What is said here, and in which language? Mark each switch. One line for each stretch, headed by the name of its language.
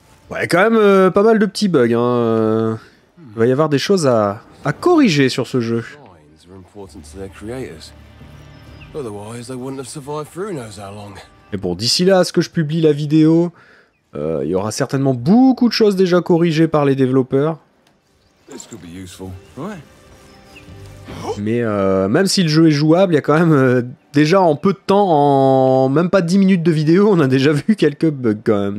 French: Ouais, quand même pas mal de petits bugs, hein. Il va y avoir des choses à corriger sur ce jeu.
English: Signs are important to their creators. Otherwise, they wouldn't have survived for who knows how long.
French: Et bon, d'ici là, à ce que je publie la vidéo, il y aura certainement beaucoup de choses déjà corrigées par les développeurs.
English: This could be useful, right?
French: Mais même si le jeu est jouable, il y a quand même déjà en peu de temps, en même pas 10 minutes de vidéo, on a déjà vu quelques bugs quand même.